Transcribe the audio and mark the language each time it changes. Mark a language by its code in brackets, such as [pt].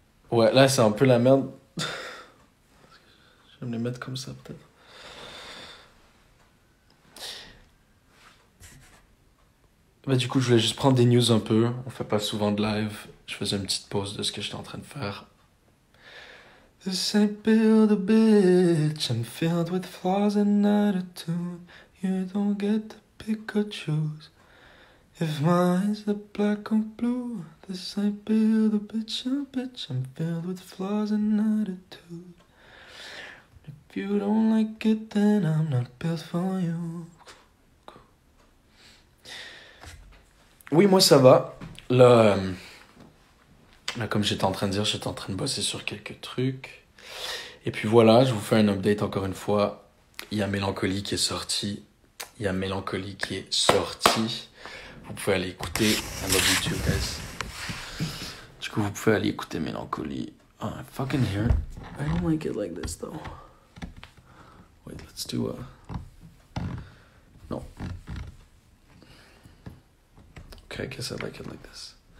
[fr] Ouais, là c'est un peu la merde. Je vais me les mettre comme ça, peut-être. Bah, du coup, je voulais juste prendre des news un peu. On fait pas souvent de live. Je faisais une petite pause de ce que j'étais en train de faire. [en] The same build a bitch, I'm filled with flaws and attitude. You don't get to pick or choose. If mine's the black or blue, the same build a bitch, I'm filled with flaws and attitude. If you don't like it, then I'm not built for you. [fr] Oui, moi ça va. Là, comme j'étais en train de dire, j'étais en train de bosser sur quelques trucs. Et puis voilà, je vous fais un update encore une fois. Il y a Mélancolie qui est sortie. Il y a Mélancolie qui est sortie. Vous pouvez aller écouter. [en] I love you too, guys. [fr] Du coup, vous pouvez aller écouter Mélancolie. [en] Oh, I fucking hear. I don't like it like this, though. Wait, let's do a. [fr] Non. [en] Okay, I guess I like it like this.